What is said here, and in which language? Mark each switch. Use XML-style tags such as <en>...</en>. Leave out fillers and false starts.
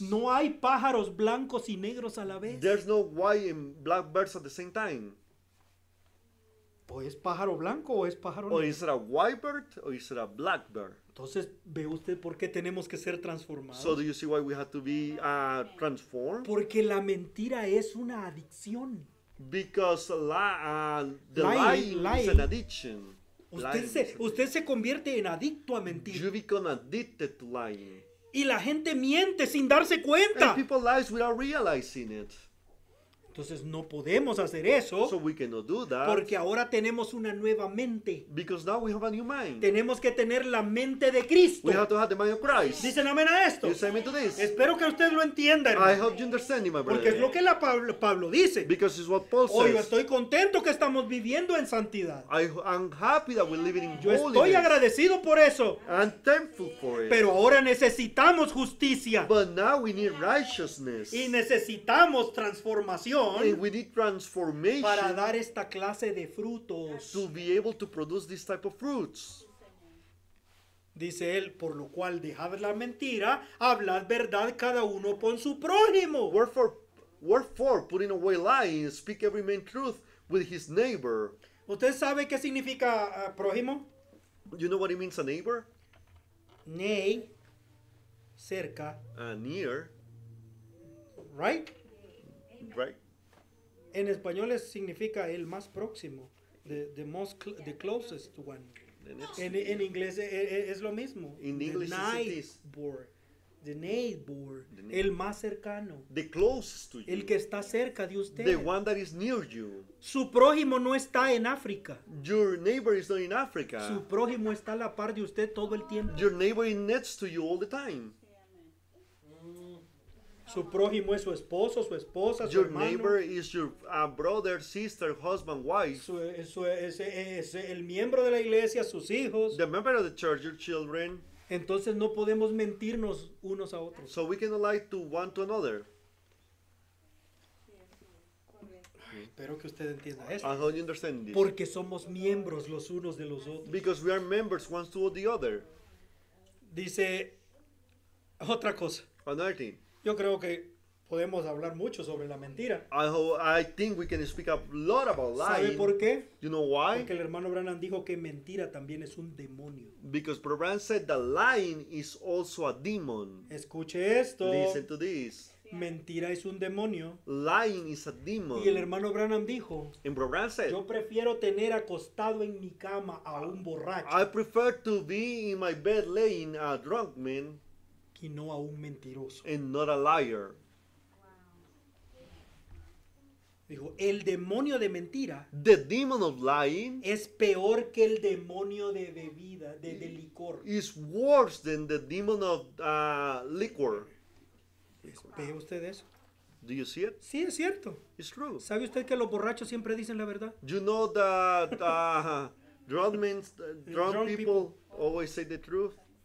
<es>No hay pájaros blancos y negros a la vez.</es> <en>There's no white and black birds at the same time.</en> <es>O es pájaro blanco o es pájaro negro.</es> <en>O is it a white bird or is it a black bird?</en> <es>Entonces, ¿ve usted por qué tenemos que ser transformados?</es> <en>So do you see why we have to be transformed?</en> <es>Porque la mentira es una adicción.</es> <en>Because lying is an addiction.</en> <es>Usted se convierte en adicto a mentir.</es> <en>You become addicted to lying.</en> <es>Y la gente miente sin darse cuenta.</es> <en>And people lie without realizing it.</en> <es>Entonces no podemos hacer eso.</es> <en>So we cannot do that.</en> <es>Porque ahora tenemos una nueva mente.</es> <en>Because now we have a new mind.</en> <es>Tenemos que tener la mente de Cristo.</es> <en>We have to have the mind of Christ.</en> <es>Dicen amén a esto.</es> <en>You say amen to this.</en> <es>Espero que usted lo entienda.</es> <en>I hope you understand it, my brother.</en> <es>Porque es lo que Pablo dice.</es> <en>Because it's what Paul says.</en> <es>Hoy estoy contento que estamos viviendo en santidad.</es> <en>I'm happy that we're living in</en> <es>yo</es> <en>holiness.</en> <es>Estoy agradecido por eso.</es> <en>I'm thankful for it.</en> <es>Pero ahora necesitamos justicia.</es> <en>But now we need righteousness.</en> <es>Y necesitamos transformación.</es> <en>And we need transformation</en> <es>para dar esta clase de frutos</es> <en>to be able to produce this type of fruits.</en> <es>Dice él, por lo cual dejad la mentira, hablad verdad cada uno con su prójimo.</es> <en>Wherefore, putting away lying, speak every man truth with his neighbor.</en> <es>¿Usted sabe qué significa prójimo?</es> <en>You know what it means, a neighbor?</en> <es>Nay, cerca.</es> <en>Near. Right? Right.</en> <es>En español significa el más próximo,</es> <en>the closest one.</en> <es>En inglés es lo mismo.</es> <en>In English, the neighbor. The neighbor.</en> <es>El más cercano.</es> <en>The closest to you.</en> <es>El que está cerca de usted.</es> <en>The one that is near you.</en> <es>Su prójimo no está en África.</es> <en>Your neighbor is not in Africa.</en> <es>Su prójimo está a la par de usted todo el tiempo.</es> <en>Your neighbor is next to you all the time.</en> <es>Su prójimo es su esposo, su esposa, su</es> <en>your</en> <es>hermano.</es> <en>Your neighbor is your brother, sister, husband, wife.</en> <es>Es el miembro de la iglesia, sus hijos.</es> <en>The member of the church, your children.</en> <es>Entonces no podemos mentirnos unos a otros.</es> <en>So we cannot lie to one to another.</en> <es>Espero que usted entienda esto.</es> <en>I hope you understand this.</en> <es>Porque somos miembros los unos de los otros.</es> <en>Because we are members one to the other.</en> <es>Dice otra cosa.</es> <en>Another thing.</en> <es>Yo creo que podemos hablar mucho sobre la mentira.</es> <en>I think we can speak a lot about lying.</en> <es>¿Sabe por qué?</es> <en>You know why?</en> <es>Porque el hermano Branham dijo que mentira también es un demonio.</es> <en>Because Brother Branham said that lying is also a demon.</en> <es>Escuche esto.</es> <en>Listen to this.</en> <es>Mentira es un demonio.</es> <en>Lying is a demon.</en> <es>Y el hermano Branham dijo.</es> <en>And Brother Branham said,</en> <es>yo prefiero tener acostado en mi cama a un borracho.</es> <en>I prefer to be in my bed laying a drunk man.</en> <es>Y no a un mentiroso.</es> <en>And not a liar.</en> <es>Dijo, el demonio de mentira.</es> <en>The demon of lying.</en> <es>Es peor que el demonio de bebida, de licor.</es> <en>Is worse than the demon of liquor.</en> <es>¿Ve usted eso?</es> <en>Do you see it?</en> <es>Sí, es cierto.</es> <en>It's true.</en> <es>¿Sabe usted que los borrachos siempre dicen la verdad?</es> <en>You know that drunk people always say the truth?</en>